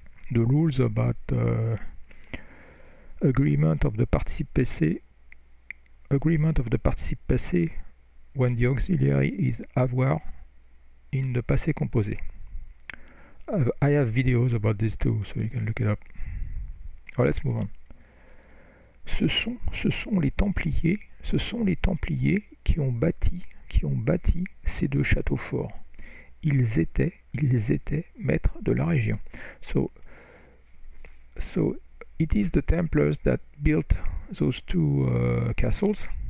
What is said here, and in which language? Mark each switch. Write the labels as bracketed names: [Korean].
[English] The rules about agreement of the participe passé. Agreement of the participe passé when the auxiliary is avoir in the passé composé. I have videos about this too, so you can look it up. Oh, let's move on. [French] Ce sont les Templiers qui ont bâti ces deux châteaux forts. Ils étaient maîtres de la région. [English] So it is the Templars that built those two castles.